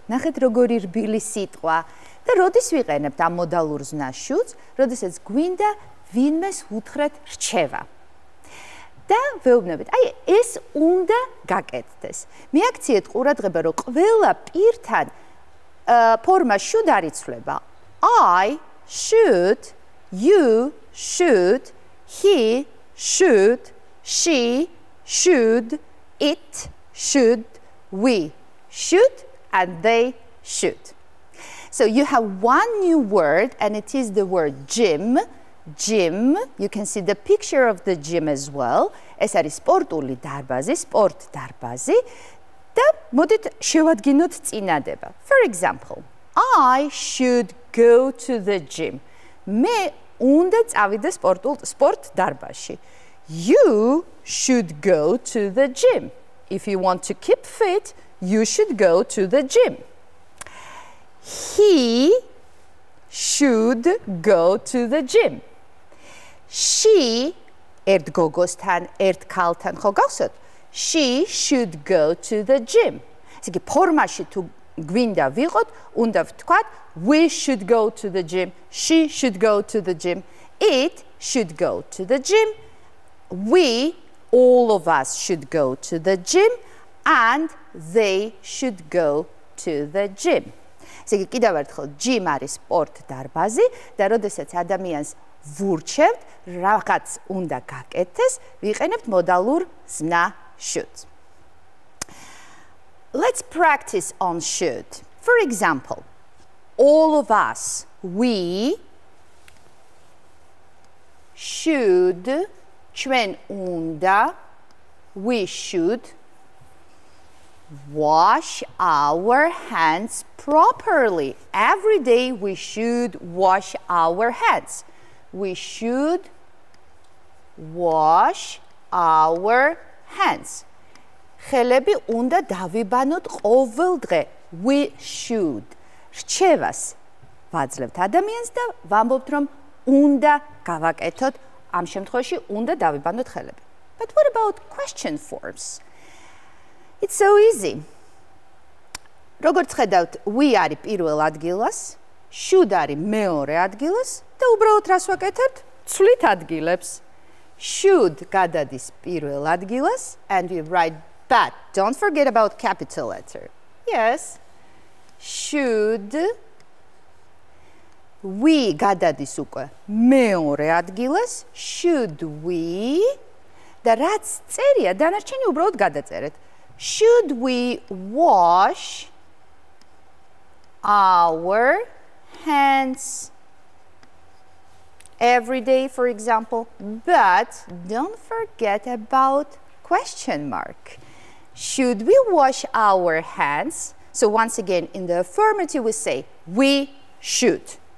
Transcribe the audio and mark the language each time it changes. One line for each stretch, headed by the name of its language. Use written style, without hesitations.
Georgian: ნახეთ როგორი რბილი სიტყვა. Და როდის ვიყენებთ ამ მოდალურ ზმნას should, როდესაც გვინდა ვინმეს უთხრეთ რჩევა. Და ვეუბნებით, აი ეს უნდა გაკეთდეს. მიაქციეთ ყურადღება, რომ ყველა პირთან ფორმა should არ იცვლება.
English: I should, you should, he should, she should, it should, we should, and they should. So you have one new word, and it is the word gym. Gym, you can see the picture of the gym as well.
Georgian: Ეს არის სპორტული დარბაზი, სპორტ დარბაზი. Და მოდით შევადგინოთ წინადება.
English: For example, I should go to the gym.
Georgian: Მე უნდა წავიდე სპორტულ სპორტ დარბაზში.
English: You should go to the gym. If you want to keep fit, you should go to the gym. He should go to the gym.
Georgian: She, ერთ გოგოსთან, ერთ ქალთან, ხო გახსოვთ?
English: She should go to the gym.
Georgian: ესე იგი, ფორმაში თუ გვინდა ვიყოთ, უნდა ვთქვათ,
English: we should go to the gym, she should go to the gym, it should go to the gym, we, all of us should go to the gym, and they should go to the gym.
Georgian: ესე იგი, კიდევ ერთხელ, gym არის სპორტ დარბაზი, და როდესაც ადამიანს ვურჩევთ, რაღაც უნდა გაკეთდეს, ვიყენებთ მოდალურ ზმნა should.
English: Let's practice on should. For example, all of us, we should,
Georgian: ჩვენ უნდა,
English: we should wash our hands properly. Every day we should wash our hands. We should wash our hands.
Georgian: ხელები უნდა დავიბანოთ ყოველ დღე.
English: We should.
Georgian: რჩევას ვაძლევთ ადამიანს და ვამბობთ, რომ უნდა გავაკეთოთ, ამ შემთხვევაში უნდა დავიბანოთ ხელები.
English: But what about question forms? It's so easy.
Georgian: როგორც ხედავთ, we არის პირველ ადგილას, should არის მეორე ადგილას და უბრალოდ რას ვაკეთებთ? ცვლით ადგილებს.
English: Should
Georgian: გადადის პირველ ადგილას
English: and we write But don't forget about capital letter. Yes. Should.
Georgian: We გადადის უკვე მეორე ადგილას.
English: Should we.
Georgian: და რაც წერია, დანარჩენი უბრალოდ გადაწერეთ.
English: Should we wash our hands every day, for example. But don't forget about question mark. Should we wash our hands? So once again, in the affirmative, we say, we should.